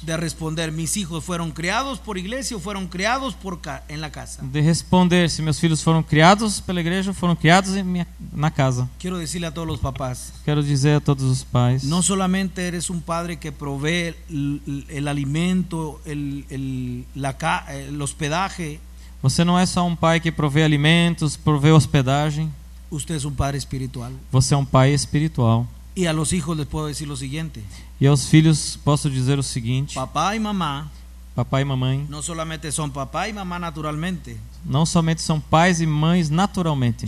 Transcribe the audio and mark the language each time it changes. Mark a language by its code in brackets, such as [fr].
[es] De responder, mis hijos fueron criados por iglesia o fueron criados por en la casa. [pt] De responder, se meus filhos foram criados pela igreja ou foram criados em minha, na casa. [es] Quiero decirle a todos los papás. [pt] Quero dizer a todos os pais. [es] No solamente eres un padre que provee el alimento, el hospedaje. [pt] Você não é só um pai que provê alimentos, provê hospedagem. [es] Usted es un padre espiritual. [pt] Você é um pai espiritual. [es] Y a los hijos les puedo decir lo siguiente. [pt] E aos filhos posso dizer o seguinte. [es] Papá y mamá. No solamente son papá y mamá naturalmente. [pt] Não somente são pais e mães naturalmente.